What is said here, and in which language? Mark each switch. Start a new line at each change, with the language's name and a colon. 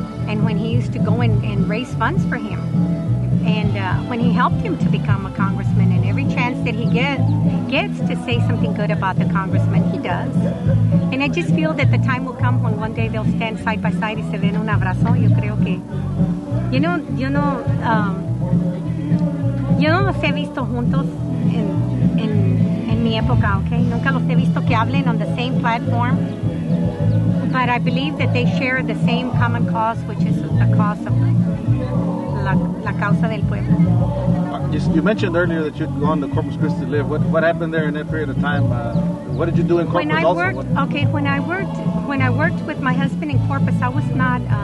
English: And when he used to go and raise funds for him, and when he helped him to become a congressman, and every chance that he gets to say something good about the congressman, he does. And I just feel that the time will come when one day they'll stand side by side and
Spanish: se den un abrazo. Yo creo que, yo no los he visto juntos en mi época, okay? Nunca los he visto que hablen
English: on the same platform. But I believe that they share the same common cause, which is the cause of
Spanish: la causa del pueblo.
English: You mentioned earlier that you'd gone to Corpus Christi to live. What happened there in that period of time? What did you do in Corpus when I worked with my husband in Corpus, I was not